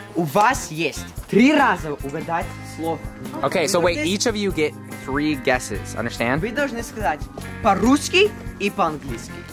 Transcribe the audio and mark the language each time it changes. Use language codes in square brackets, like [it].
[ru] У вас есть три раза угадать слово. [en] Okay, so wait, each of you get three guesses, understand? [ru] Вы должны сказать по-русски и по-английски.